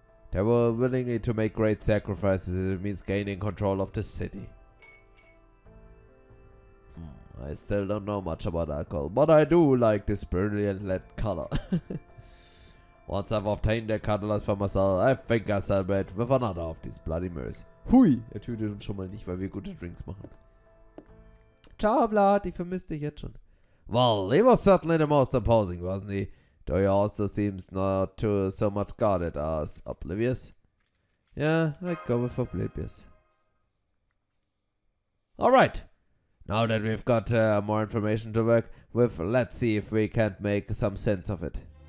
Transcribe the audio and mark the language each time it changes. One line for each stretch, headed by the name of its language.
English: They were willing to make great sacrifices if it means gaining control of the city. I still don't know much about alcohol, but I do like this brilliant lead color. Once I've obtained the catalyst for myself, I think I'll celebrate with another of these bloody mirrors. Hui!
German: Er tötet uns schon mal nicht, weil wir gute Drinks machen. Ciao, Vlad, ich vermisse dich jetzt schon.
English: Well, he was certainly the most imposing, wasn't he? Though he also seems not to so much guarded as oblivious. Yeah, I go with oblivious. Alright. Now that we've got more information to work with, let's see if we can't make some sense of it.